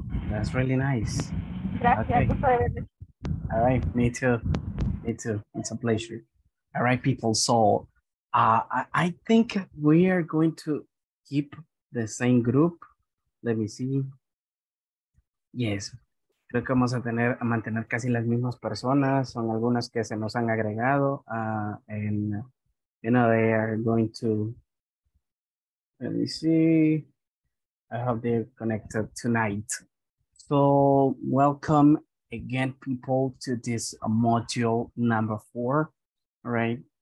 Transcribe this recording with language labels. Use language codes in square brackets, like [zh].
[en] That's really nice. [es] Gracias, [en] okay. [es] Gusto de verte. [en] All right, me too. It's a pleasure. All right, people. So I think we are going to keep the same group. Let me see. [es] Yes, creo que vamos a mantener casi las mismas personas. Son algunas que se nos han agregado. [en] And you know, they are going to, let me see. I hope they're connected tonight. So welcome again, people, to this module number 4, right?